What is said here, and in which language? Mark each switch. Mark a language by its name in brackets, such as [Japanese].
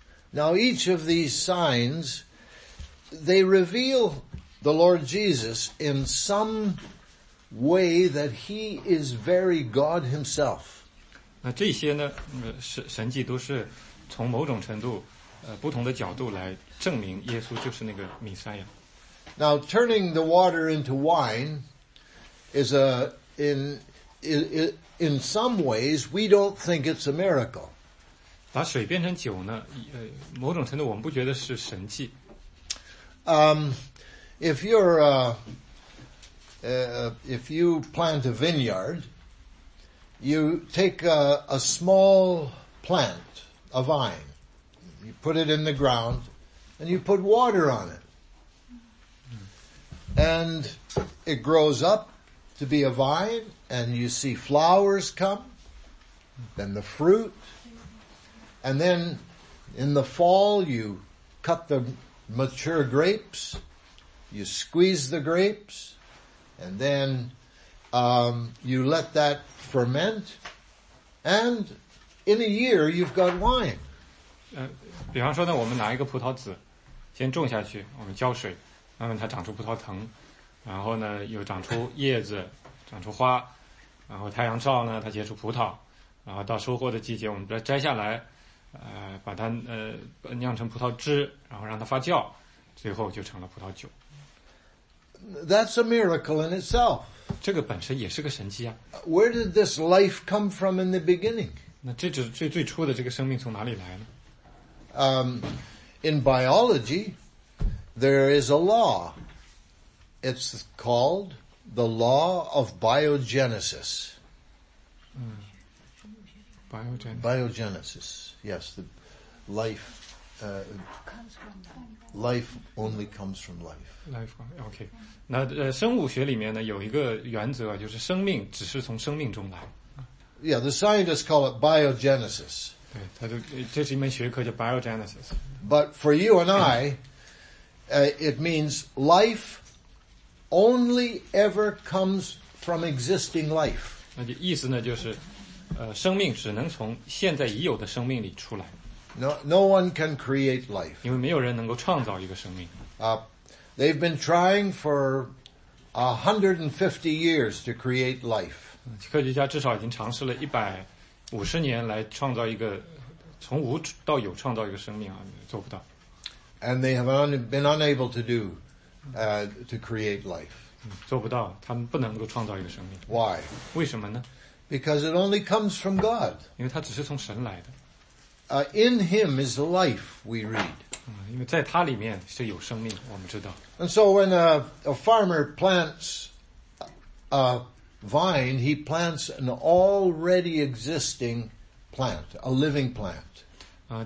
[English] Now each of these signs, they reveal the Lord Jesus in some. Way that he is very God himself. [Chinese] 那这些呢，神迹都是从某种程度，不同的角度来证明耶稣就是那个弥赛亚。 [English] Now turning the water into wine is a in some ways we don't think it's a miracle. [Chinese] 把水变成酒呢，某种程度我们不觉得是神迹。 [English] If you're if you plant a vineyard, you take a small plant, a vine, you put it in the ground, and you put water on it. And it grows up to be a vine, and you see flowers come, then the fruit, and then in the fall you cut the mature grapes, you squeeze the grapes,And then, you let that ferment, and in a year you've got wine. [Chinese] 比方说呢，我们拿一个葡萄籽，先种下去，我们浇水，慢慢它长出葡萄藤，然后呢又长出叶子，长出花，然后太阳照呢，它结出葡萄，然后到收获的季节，我们把它摘下来，把它酿成葡萄汁，然后让它发酵，最后就成了葡萄酒。 [English] That's a miracle in itself. [Chinese] 这个本身也是个神迹啊。 [English] Where did this life come from in the beginning? [Chinese] 那最初的这个生命从哪里来呢？ [English] In biology, there is a law. It's called the law of biogenesis. Biogenesis. Yes, the life only comes from life. Life, okay. [Chinese] 那生物学里面呢有一个原则，就是生命只是从生命中来。 [English] Yeah, the scientists call it biogenesis. [Chinese] 对，它就这是一门学科叫 biogenesis. [English] But for you and I, it means life only ever comes from existing life. [Chinese] 那就意思呢就是，生命只能从现在已有的生命里出来。 [English] No one can create life. [Chinese] 因为没有人能够创造一个生命。 [English] They've been trying for 150 years to create life. [Chinese] 科学家至少已经尝试了150年来创造一个从无到有创造一个生命啊，做不到。 [English] And they have been unable to do to create life. [Chinese] 做不到，他们不能够创造一个生命。 [English] Why? [Chinese] 为什么呢？ [English] Because it only comes from God. [Chinese] 因为它只是从神来的。 [English] In him is life, we read. [Chinese] 因为在它里面是有生命，我们知道。 [English] And so when a farmer plants a vine, he plants an already existing plant, a living plant.